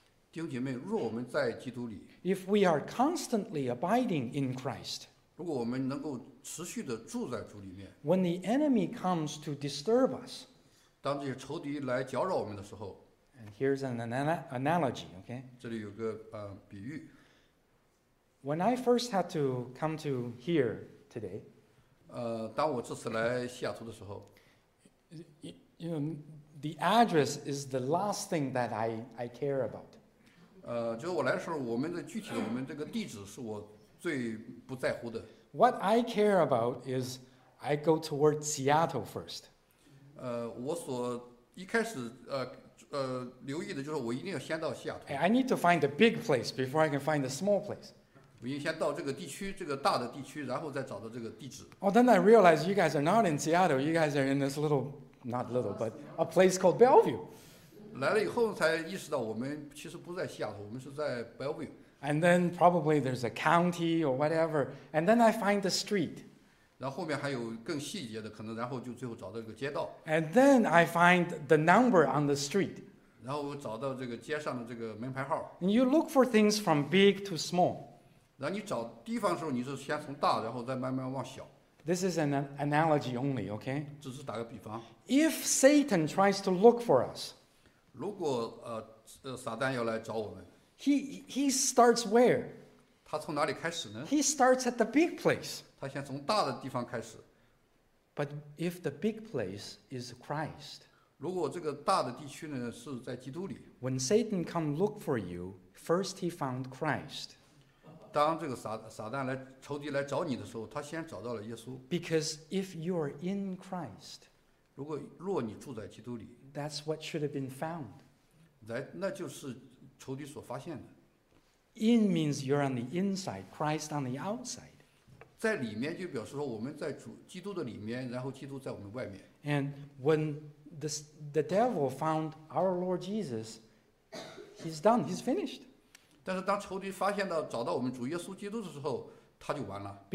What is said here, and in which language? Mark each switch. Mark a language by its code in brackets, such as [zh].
[zh] 弟兄姐妹，若我们在基督里， [en] if we are constantly abiding in Christ, [zh] 如果我们能够持续地住在主里面， [en] when the enemy comes to disturb us, [zh] 当这些仇敌来搅扰我们的时候， [en] and here's an analogy, okay? [zh] 这里有个比喻。 [en] When I first had to come to here today, [zh] 当我这次来西雅图的时候， [en] you know,the address is the last thing that I care about. [zh] 就我来的时候，我们的具体的我们这个地址是我最不在乎的。 [en] What I care about is I go toward Seattle first. [zh] 我所一开始留意的就是我一定要先到西雅图。 [en] I need to find a big place before I can find a small place. [zh] 我应先到这个地区，这个大的地区，然后再找到这个地址。 [en] Oh, then I realize you guys are not in Seattle. You guys are in this little. Not little, but a place called Bellevue. [zh] 来了以后才意识到我们其实不在西雅图，我们是在 Bellevue. [en] And then probably there's a county or whatever, and then I find the street. [zh] 然后后面还有更细节的可能，然后就最后找到一个街道。 [en] And then I find the number on the street. [zh] 然后我找到这个街上的这个门牌号。 [en] And you look for things from big to small. [zh] 然后你找地方的时候，你是先从大，然后再慢慢往小。 [en] This is an analogy only, okay? [zh] 只是打个比方。 [en] If Satan tries to look for us, [zh] 如果撒旦要来找我们， [en] he starts where? [zh] 他从哪里开始呢？ [en] He starts at the big place. [zh] 他先从大的地方开始。 [en] But if the big place is Christ, [zh] 如果这个大的地区呢是在基督里， [en] when Satan come look for you, first he found Christ. [zh] 当这个撒旦来仇敌来找你的时候，他先找到了耶稣。 [en] Because if you are in Christ, [zh] 如果若你住在基督里 [en] ，That's what should have been found. [zh] 那就是仇敌所发现的。 [en] In means you're on the inside, Christ on the outside. [zh] 在里面就表示说我们在主基督的里面，然后基督在我们外面。 [en] And when the devil found our Lord Jesus, he's done. He's finished. [zh] 但是当仇敌发现到找到我们主耶稣基督的时候，他就完了。